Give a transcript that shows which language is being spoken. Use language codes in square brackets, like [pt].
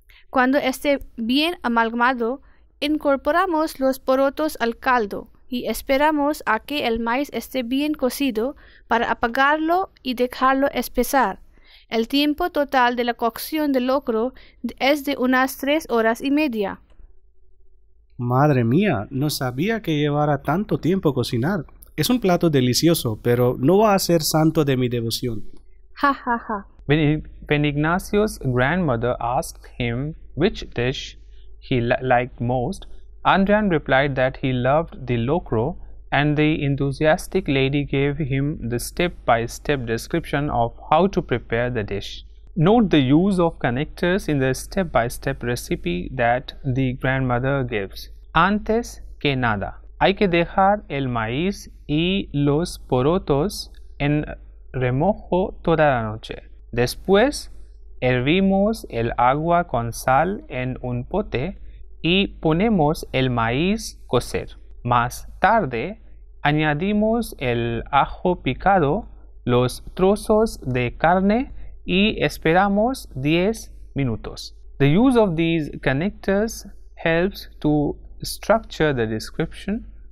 [es] Cuando esté bien amalgamado, incorporamos los porotos al caldo y esperamos a que el maíz esté bien cocido para apagarlo y dejarlo espesar. El tiempo total de la cocción del locro es de unas 3 horas y media. Madre mía, no sabía que llevara tanto tiempo cocinar. Es un plato delicioso, pero no va a ser santo de mi devoción. Ha ha ha. [en] When Ignacio's grandmother asked him which dish he liked most, Andrean replied that he loved the locro, and the enthusiastic lady gave him the step-by-step description of how to prepare the dish. Note the use of connectors in the step-by-step recipe that the grandmother gives. [es] Antes que nada, hay que dejar el maíz y los porotos en remojo toda la noche. Después, hervimos el agua con sal en un pote y ponemos el maíz a cocer. Más tarde, añadimos el ajo picado, los trozos de carne y esperamos 10 minutos. [en] The use of these connectors helps to structure the description.